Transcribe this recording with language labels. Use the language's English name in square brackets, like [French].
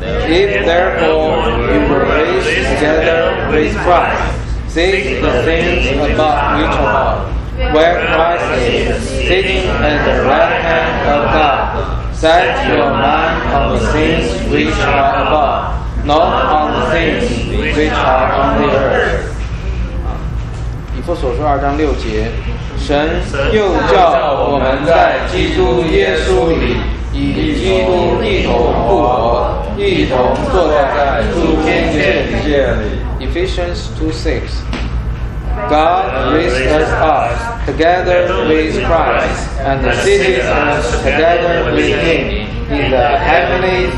[English] If therefore you were raised together with Christ, seek the things above which are above, where Christ is, sitting at the right hand of God. Set your mind on the things which are above, not on the things which are on the earth. [Chinese] 以弗所书二章六节，神又叫我们在基督耶稣里与基督一同复活，一同坐在诸天界里。 [English] Ephesians 2:6 God raised us up together with Christ and seated us together with Him in the heavenly